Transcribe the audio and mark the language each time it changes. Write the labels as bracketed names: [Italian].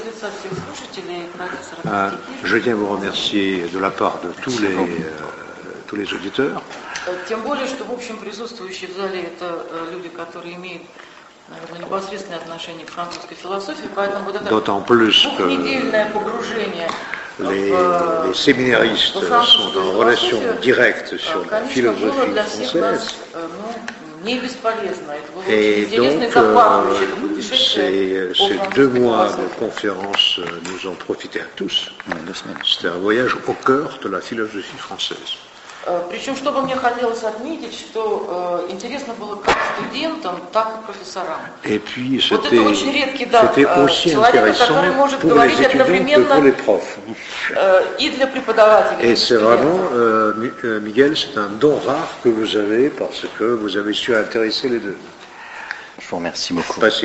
[Russian] Я хочу поблагодарить от лица всех слушателей. Тем более, что в общем присутствующие в зале это люди, которые имеют, наверное, непосредственное отношение к французской философии, поэтому вот это двухнедельное погружение. [French] Les séминаристы sont en relation directe sur la philosophie française. [Russian] Не бесполезно. Это было интересно, как вообще это путешествие. [French] Ces deux mois de conférence nous ont profité à tous. C'était un voyage au cœur de la philosophie française. [Russian] Причем, что бы мне хотелось отметить, что интересно было как студентам, так и профессорам. [French] Et puis, [Russian] вот это очень редкий дар человека, который может говорить одновременно и для преподавателей. [French] Et c'est vraiment, Miguel, c'est un don rare que vous avez, parce que vous avez su intéresser les deux. Je vous remercie beaucoup.